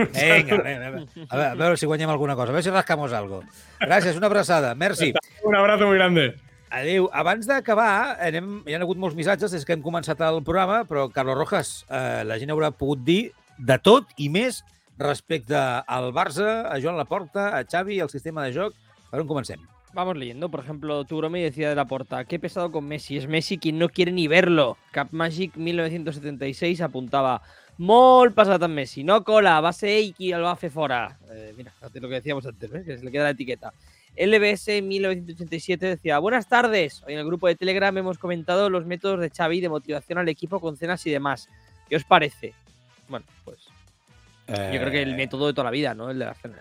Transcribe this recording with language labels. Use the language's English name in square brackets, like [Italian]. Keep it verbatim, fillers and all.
[Spanish] Venga, venga, venga. A ver, a ver si [Catalan] guanyem alguna cosa, [Spanish] a ver si rascamos algo. [Catalan] Gràcies, una abraçada. [Spanish] Merci. Un abrazo muy grande. [Catalan] Adéu. Abans d'acabar, anem, hi ha hagut molts missatges des que hem començat el programa, però, Carlos Rojas, eh, la gent haurà pogut dir de tot i més respecte al Barça, a Joan Laporta, a Xavi, al sistema de joc. Per on comencem? [Spanish] Vamos leyendo, por ejemplo, Turomi decía de Laporta, qué pesado con Messi, es Messi quien no quiere ni verlo. Capmagic mil novecientos setenta y seis apuntaba, [Catalan] molt passat amb Messi, no cola, va ser ell qui el va fer fora. [Spanish] Eh, mira, lo que decíamos antes, ¿eh? Que se le queda la etiqueta. L B S mil novecientos ochenta y siete decía, buenas tardes, hoy en el grupo de Telegram hemos comentado los métodos de Xavi de motivación al equipo con cenas y demás. ¿Qué os parece? Bueno, pues eh... yo creo que el método de toda la vida, ¿no? El de la cena.